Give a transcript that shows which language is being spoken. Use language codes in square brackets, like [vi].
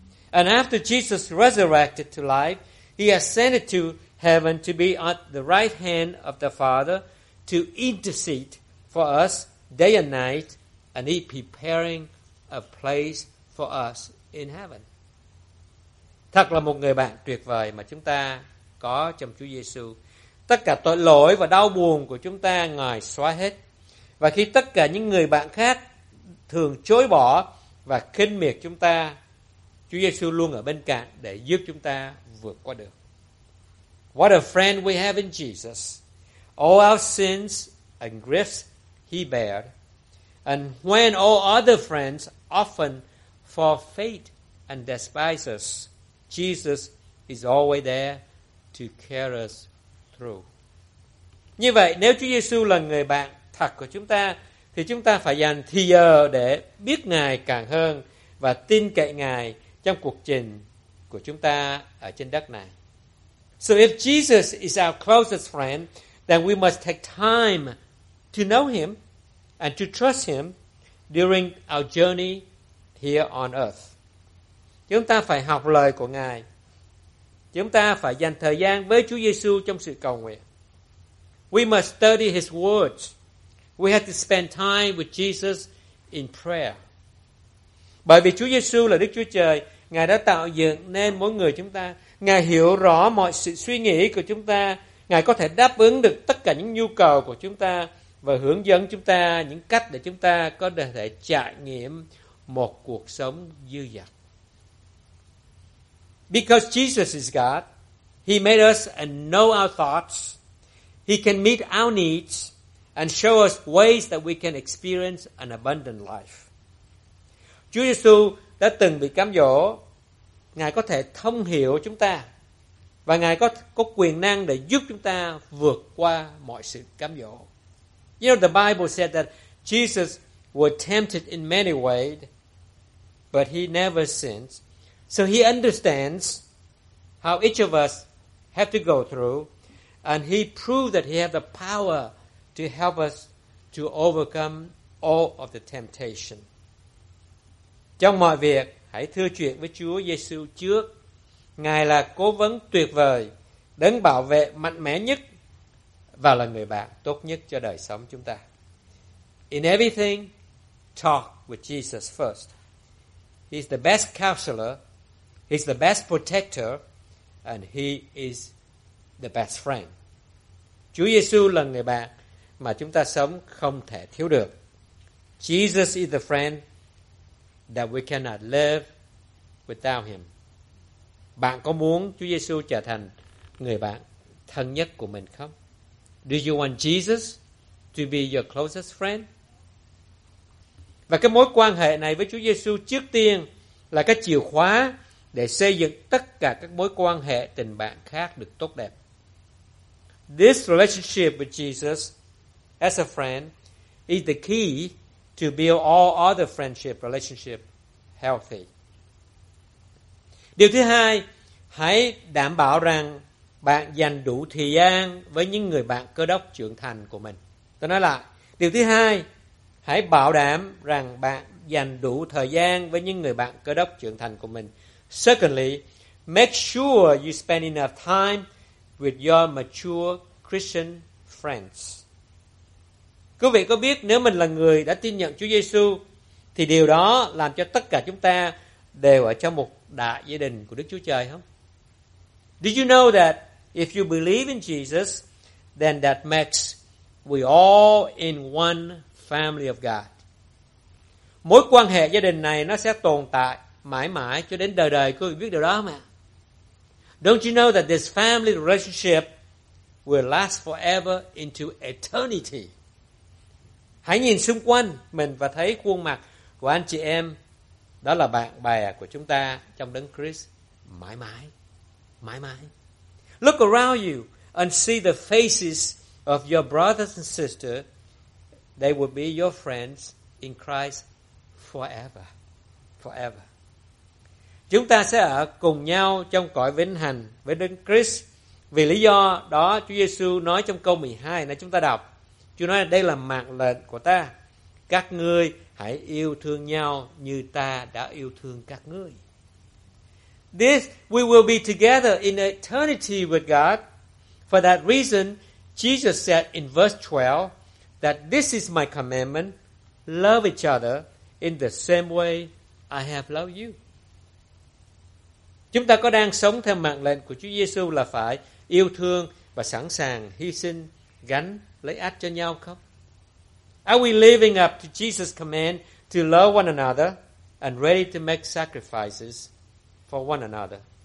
[en] And after Jesus resurrected to life, he ascended to heaven to be at the right hand of the Father to intercede for us day and night, and he preparing a place for us in heaven. [vi] Thật là một người bạn tuyệt vời mà chúng ta có trong Chúa Giê-xu. Tất cả tội lỗi và đau buồn của chúng ta Ngài xóa hết. Và khi tất cả những người bạn khác thường chối bỏ và khinh miệt chúng ta, Chúa Giê-xu luôn ở bên cạnh để giúp chúng ta vượt qua được. [en] What a friend we have in Jesus. All our sins and griefs he bared. And when all other friends often forfeit and despise us, Jesus is always there to carry us through. [vi] Như vậy, nếu Chúa Giê-xu là người bạn thật của chúng ta, thì chúng ta phải dành thời giờ để biết Ngài càng hơn và tin cậy Ngài trong cuộc trình của chúng ta ở trên đất này. [en] So if Jesus is our closest friend, then we must take time to know him and to trust him during our journey here on earth. [vi] Chúng ta phải học lời của Ngài. Chúng ta phải dành thời gian với Chúa Giê-xu trong sự cầu nguyện. [en] We must study his words. We have to spend time with Jesus in prayer. [vi] Bởi vì Chúa Giê-xu là Đức Chúa Trời, Ngài đã tạo dựng nên mỗi người chúng ta. Ngài hiểu rõ mọi sự suy nghĩ của chúng ta. Ngài có thể đáp ứng được tất cả những nhu cầu của chúng ta và hướng dẫn chúng ta những cách để chúng ta có thể trải nghiệm một cuộc sống dư dật. [en] Because Jesus is God, he made us and know our thoughts. He can meet our needs and show us ways that we can experience an abundant life. [vi] Chúa Giêsu đã từng bị cám dỗ, Ngài có thể thông hiểu chúng ta và Ngài có quyền năng để giúp chúng ta vượt qua mọi sự cám dỗ. [en] You know, the Bible said that Jesus was tempted in many ways, but he never sinned. So he understands how each of us have to go through, and he proved that he has the power to help us to overcome all of the temptation. [vi] Trong mọi việc, hãy thưa chuyện với Chúa Giêsu trước. Ngài là cố vấn tuyệt vời, đấng bảo vệ mạnh mẽ nhất và là người bạn tốt nhất cho đời sống chúng ta. [en] In everything, talk with Jesus first. He's the best counselor, he's the best protector, and he is the best friend. [vi] Chúa Giêsu là người bạn mà chúng ta sống không thể thiếu được. [en] Jesus is the friend that we cannot live without him. [vi] Bạn có muốn Chúa Giêsu trở thành người bạn thân nhất của mình không? [en] Do you want Jesus to be your closest friend? [vi] Và cái mối quan hệ này với Chúa Giêsu trước tiên là cái chìa khóa để xây dựng tất cả các mối quan hệ tình bạn khác được tốt đẹp. [en] This relationship with Jesus as a friend is the key to build all other friendship relationship healthy. [vi] Điều thứ hai, hãy đảm bảo rằng bạn dành đủ thời gian với những người bạn cơ đốc trưởng thành của mình. Tôi nói lại, điều thứ hai, hãy bảo đảm rằng bạn dành đủ thời gian với những người bạn cơ đốc trưởng thành của mình. [en] Secondly, make sure you spend enough time with your mature Christian friends. [vi] Quý vị có biết nếu mình là người đã tin nhận Chúa Giêsu thì điều đó làm cho tất cả chúng ta đều ở trong một đại gia đình của Đức Chúa Trời không? [en] Do you know that if you believe in Jesus, then that makes we all in one family of God. [vi] Mối quan hệ gia đình này nó sẽ tồn tại mãi mãi cho đến đời đời. Quý vị biết điều đó không ạ? [en] Don't you know that this family relationship will last forever into eternity? [vi] Hãy nhìn xung quanh mình và thấy khuôn mặt của anh chị em, đó là bạn bè của chúng ta trong Đấng Christ mãi mãi, mãi mãi. [en] Look around you and see the faces of your brothers and sisters. They will be your friends in Christ forever, forever. [vi] Chúng ta sẽ ở cùng nhau trong cõi vĩnh hằng với Đấng Christ. Vì lý do đó, Chúa Giêsu nói trong câu 12 này chúng ta đọc. Chúa nói đây là mạng lệnh của ta. Các ngươi hãy yêu thương nhau như ta đã yêu thương các ngươi. [en] This we will be together in eternity with God. For that reason, Jesus said in verse 12 that this is my commandment. Love each other in the same way I have loved you. [vi] Chúng ta có đang sống theo mạng lệnh của Chúa Giêsu là phải yêu thương và sẵn sàng hy sinh gánh lấy ách cho nhau không? [en] Are we living up to Jesus' command to love one another and ready to make sacrifices for one another?